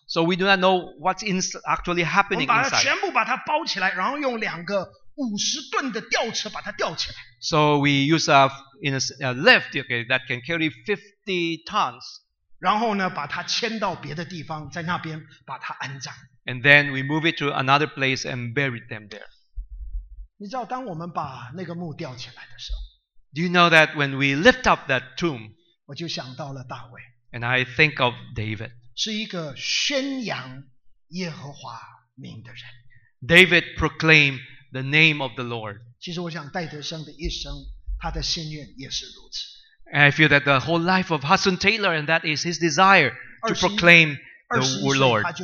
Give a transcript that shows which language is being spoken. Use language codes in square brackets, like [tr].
[en] So we do not know what's actually happening inside. [zh] 我们把它全部把它包起来，然后用两个50吨的吊车把它吊起来。 [en] So we use a lift, okay, that can carry 50 tons. [zh] 然后呢，把它迁到别的地方，在那边把它安葬。 [en] And then we move it to another place and buried them there. [zh] 你知道，当我们把那个墓吊起来的时候。 [en] Do you know that when we lift up that tomb, [zh] 我就想到了大卫。 [en] And I think of David. [zh] 是一个宣扬耶和华名的人。 [en] David proclaimed the name of the Lord. [zh] 其实我想戴德生的一生，他的心愿也是如此。 [en] And I feel that the whole life of Hudson Taylor, and that is his desire to proclaim the Lord.